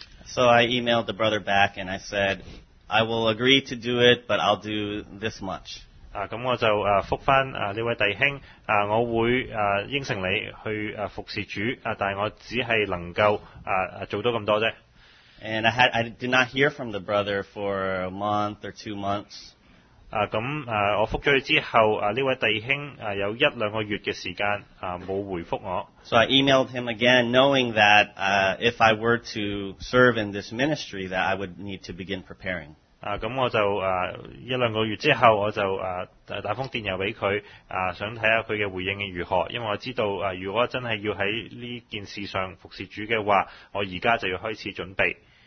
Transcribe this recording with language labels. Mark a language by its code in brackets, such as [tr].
[en] So I emailed the brother back and I said, I will agree to do it, but I'll do this much. [yue] 咁我就覆返呢位弟兄我會應承你去服侍主但我只係能夠做到咁多啫。 [en] And I did not hear from the brother for a month or 2 months. [yue] 咁我覆咗佢之後呢位弟兄有一兩個月嘅時間冇回覆我。 [en] So I emailed him again knowing that if I were to serve in this ministry that I would need to begin preparing. [yue] 咁我就一兩個月之後我就打封電郵俾佢想睇下佢嘅回應如何因為我知道如果真係要喺呢件事上服侍主嘅話我而家就要開始準備。